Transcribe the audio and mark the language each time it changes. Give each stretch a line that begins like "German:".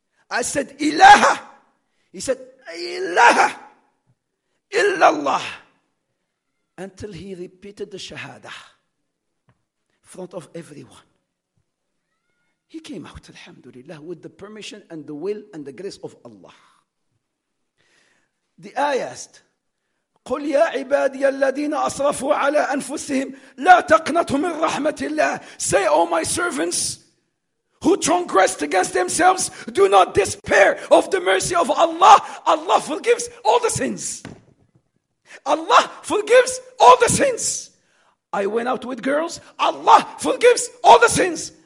English: I said, "Ilaha." He said, "Ilaha illallah." Until he repeated the shahada in front of everyone. He came out, alhamdulillah, with the permission and the will and the grace of Allah. The ayahs,
Arabic: قُلْ يَا عِبَادِيَ الَّذِينَ أَصْرَفُوا عَلَىٰ أَنفُسِهِمْ لَا تَقْنَطُوا مِنْ رَحْمَةِ اللَّهِ.
English: Say, "O my servants who transgressed against themselves, do not despair of the mercy of Allah." Allah forgives all the sins. Allah forgives all the sins. I went out with girls. Allah forgives all the sins.